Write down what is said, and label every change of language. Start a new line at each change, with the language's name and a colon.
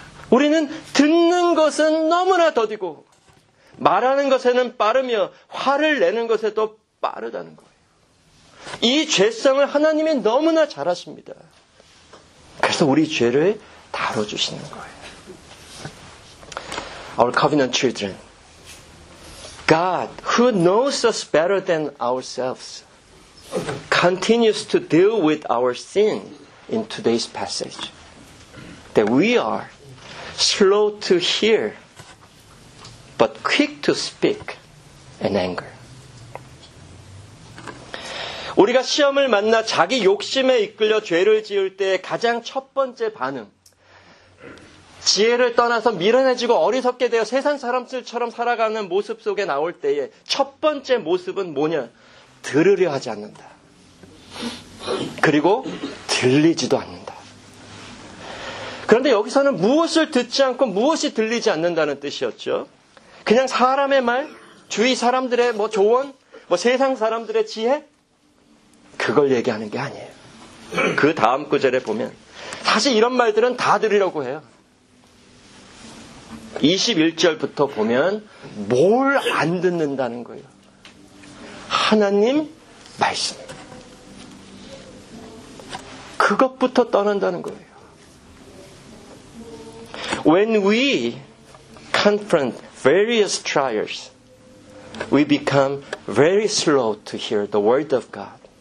Korean: 우리는 듣는 것은 너무나 더디고 말하는 것에는 빠르며 화를 내는 것에도 빠르다는 거예요. 이 죄성을 하나님이 너무나 잘 아십니다. 그래서 우리 죄를 다뤄주시는 거예요.
English: Our covenant children, God who knows us better than ourselves continues to deal with our sin in today's passage. That we are slow to hear but quick to speak in anger.
Korean: 우리가 시험을 만나 자기 욕심에 이끌려 죄를 지을 때 가장 첫 번째 반응, 지혜를 떠나서 미련해지고 어리석게 되어 세상 사람들처럼 살아가는 모습 속에 나올 때의 첫 번째 모습은 뭐냐? 들으려 하지 않는다. 그리고 들리지도 않는다. 그런데 여기서는 무엇을 듣지 않고 무엇이 들리지 않는다는 뜻이었죠. 그냥 사람의 말? 주위 사람들의 뭐 조언? 뭐 세상 사람들의 지혜? 그걸 얘기하는 게 아니에요. 그 다음 구절에 보면 사실 이런 말들은 다 들으려고 해요. 21절부터 보면 뭘 안 듣는다는 거예요. 하나님 말씀. 그것부터 떠난다는 거예요.
English: When we confront various trials, we become very slow to hear the word of God.